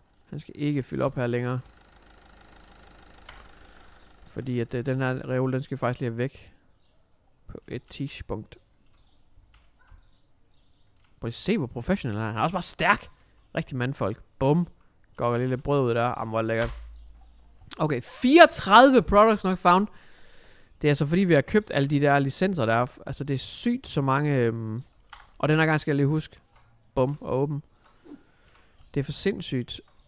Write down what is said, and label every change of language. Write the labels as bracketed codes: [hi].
[da] Han skal ikke fylde op her længere. Fordi at den her reol, den skal faktisk lige væk. På et tidspunkt. Prøv lige at se, hvor professional han er. Han er også bare stærk. Rigtig mandfolk. Bum. Går lige lidt brød ud der. Jamen, hvor lækkert. [en] Okay, 34 products not found. [da] Det er altså fordi vi har købt alle de der licenser der. Altså det er sygt så mange. Og den her gang skal jeg lige huske. Bum, åben. Det er for sindssygt.